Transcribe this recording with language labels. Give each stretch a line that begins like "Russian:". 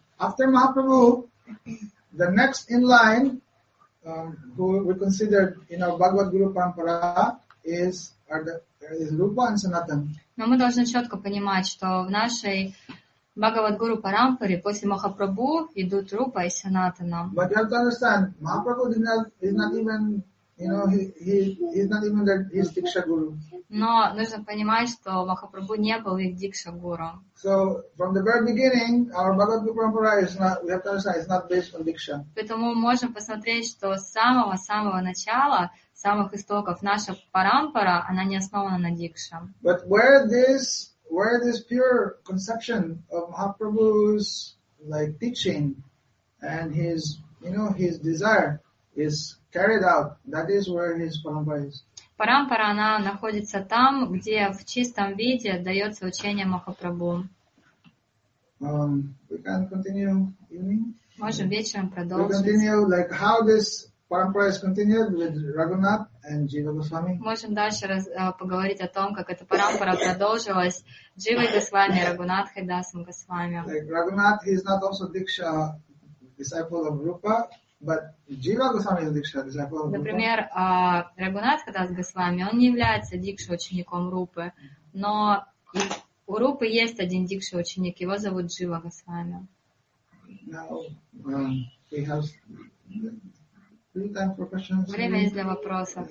English: After Mahaprabhu, the next in line, who we considered in our Bhagavad Guru Parampara, is Rupa and Sanatan.
Russian: Но мы должны четко понимать, что в нашей Бхагавад-гуру Парампаре после Махапрабху идут Рупа и Санатана.
English: But you have to understand, Махапрабху is not even, you know, he's not even his Дикша Гуру.
Russian: Но нужно понимать, что Махапрабху не был их Дикша Гуру.
English: So from the very beginning, our Бхагавад-гуру Парампара is not, we have to understand, it's not based on Дикша.
Russian: Поэтому мы можем посмотреть, что с самого-самого начала, с самых истоков, наша Парампара, она не основана на Дикша.
English: But where this pure conception of Mahaprabhu's like teaching and his, you know, his desire is carried out, that is where his Parampara is.
Russian: Парампара, она находится там, где в чистом виде дается учение Махапрабху.
English: We can continue evening.
Russian: Можем вечером продолжить.
English: We continue like how this Parampara is continued with Raghunath and Jiva Goswami.
Russian: Можем дальше поговорить о том, как эта парампара продолжилась Дживой Госвами, Рагунатхой Дасом Госвами.
English: Like Raghunath, he is not also Diksha disciple of Rupa, but Jiva Goswami is Diksha disciple of Rupa.
Russian: Например, Рагунатха Дас Госвами, он не является Дикша учеником Рупы, но у Рупы есть один Дикша ученик, его зовут Джива Госвами.
English: Now, we have
Russian: время есть для вопросов.